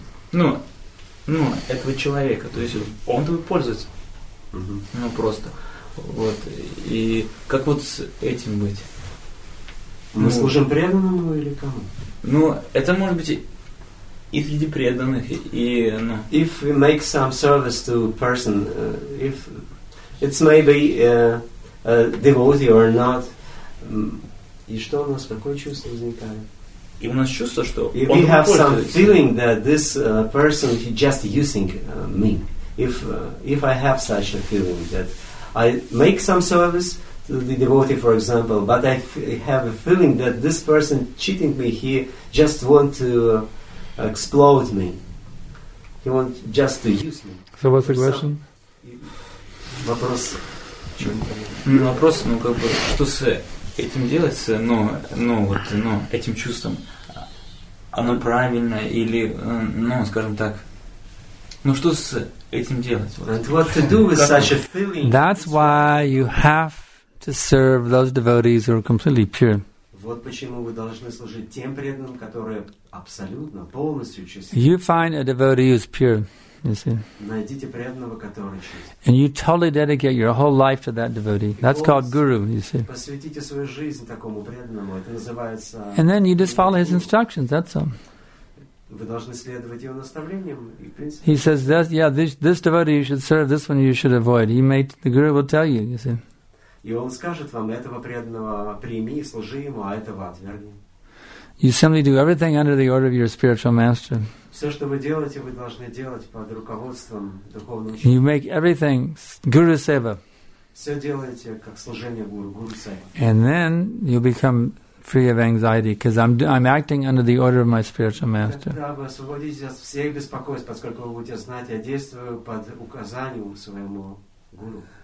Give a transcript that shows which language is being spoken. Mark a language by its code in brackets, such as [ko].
[ru] Ну, этого человека. То есть он тобой пользуется. Угу. Ну просто. Вот. И как вот с этим быть? Мы служим преданному или кому? Ну, это может быть и среди преданных, и. Ну. [en] If we make some service to person, if it's maybe devotee or not. [ru] И что у нас, какое чувство возникает? И у нас чувство, что он пользуется. [en] We have some feeling that this person he just using me. If I have such a feeling that I make some service to the devotee, for example, but I have a feeling that this person cheating me, he just want to explode me. He want just to use me. So what's the question? [ru] Вопрос. Ну, вопрос, ну, как бы, что с этим делать, но этим чувством, оно правильно или, ну, скажем так, ну, что с этим делать? [en] And what to do with such a feeling? That's why you have to serve those devotees who are completely pure. [ru] Вот почему вы должны служить тем преданным, которые абсолютно, полностью чисты. [en] You find a devotee who's pure. You see? [ru] Найдите преданного, который чист. [en] And you totally dedicate your whole life to that devotee. That's called guru, you see. [ru] Посвятите свою жизнь такому преданному. Это называется. [en] And then you just follow his instructions. That's all. [ru] Вы должны следовать его наставлениям. [en] He says that, yeah, this devotee you should serve. This one you should avoid. The guru will tell you. You see. [ru] И он скажет вам, этого преданного прими, служи ему, а этого отверни. [en] You simply do everything under the order of your spiritual master. [ru] Все, что вы делаете, вы должны делать под руководством духовного учителя. [en] You make everything guru seva. [ru] Все делаете как служение гуру сева. [en] And then you become free of anxiety because I'm acting under the order of my spiritual master. [ru] Тогда вы освободитесь от всех беспокойств, поскольку вы будете знать, я действую под указанием своему гуру.